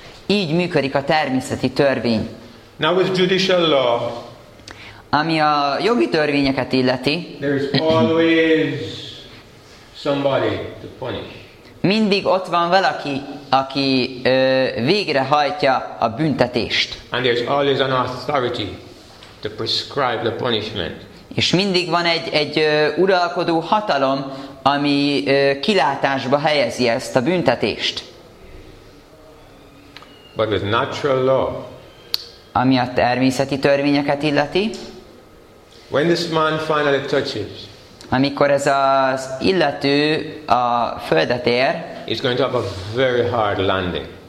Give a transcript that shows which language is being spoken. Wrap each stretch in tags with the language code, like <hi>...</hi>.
<hu>Így működik a természeti törvény.</hu> <en>Now with judicial law.</en> <hu>Ami a jogi törvényeket illeti.</hu> <en>There is always somebody to punish.</en> <hu>Mindig ott van valaki, aki végrehajtja a büntetést.</hu> <en>And there's always an authority to prescribe the punishment.</en> <hu>És mindig van egy uralkodó hatalom, ami kilátásba helyezi ezt a büntetést.</hu> <en>But with natural law.</en> <hu>Ami a természeti törvényeket illeti.</hu> <en>When this man finally touches.</en> <hu>Amikor ez az illető a földet ér,</hu> <en>he's going to have a very hard landing.</en>